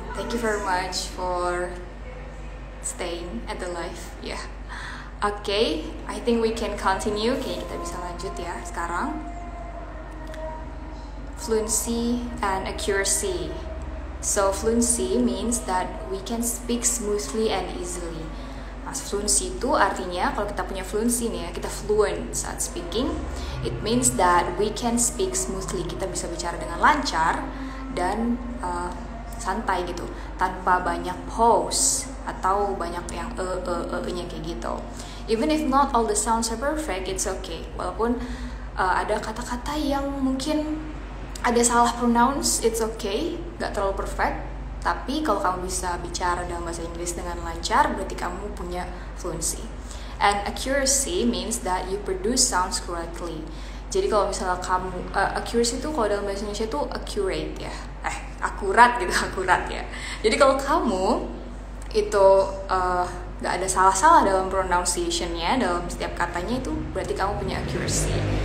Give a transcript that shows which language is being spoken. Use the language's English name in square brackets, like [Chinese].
[English] you very much for staying at the live. Yeah. Okay, I think we can continue. [Indonesian] Okay, kita bisa lanjut ya sekarang. [English] Fluency and accuracy. So fluency means that we can speak smoothly and easily. [Indonesian] Mas, fluency itu artinya kalau kita punya fluency nih ya, kita fluent saat speaking. [English] It means that we can speak smoothly. [Indonesian] Kita bisa bicara dengan lancar dan santai gitu, tanpa banyak pause atau banyak yang nya kayak gitu. [English] Even if not all the sounds are perfect, it's okay. [Indonesian] Walaupun ada kata-kata yang mungkin ada salah pronounce, [English] it's okay, [Indonesian] gak terlalu perfect. Tapi kalau kamu bisa bicara dalam bahasa Inggris dengan lancar, berarti kamu punya fluency. [English] And accuracy means that you produce sounds correctly. [Indonesian] Jadi kalau misalnya kamu, accuracy itu kalau dalam bahasa Indonesia itu accurate ya. Akurat gitu, akurat ya. Jadi kalau kamu itu gak ada salah-salah dalam pronunciation-nya, dalam setiap katanya, itu berarti kamu punya accuracy.